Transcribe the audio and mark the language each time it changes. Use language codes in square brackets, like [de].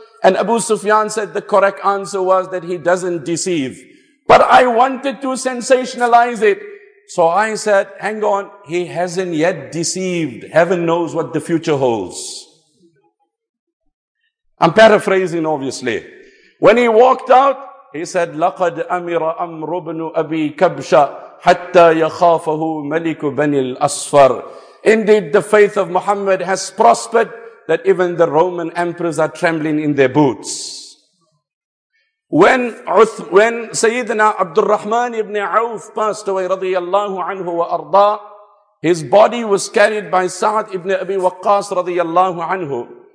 [en] And Abu Sufyan said the correct answer was that he doesn't deceive. But I wanted to sensationalize it. So I said, hang on, he hasn't yet deceived. Heaven knows what the future holds. I'm paraphrasing, obviously. When he walked out, he said, [ar] لَقَدْ أَمِرَ أَمْرُ بْنُ أَبِي كَبْشَ حَتَّى يَخَافَهُ مَلِكُ بَنِ الْأَصْفَرِ. [en] Indeed, the faith of Muhammad has prospered that even the Roman emperors are trembling in their boots. When Sayyidina Abdul Rahman ibn Auf passed away, radiyallahu anhu wa arda, his body was carried by Sa'd ibn Abi Waqqas, radiyallahu anhu.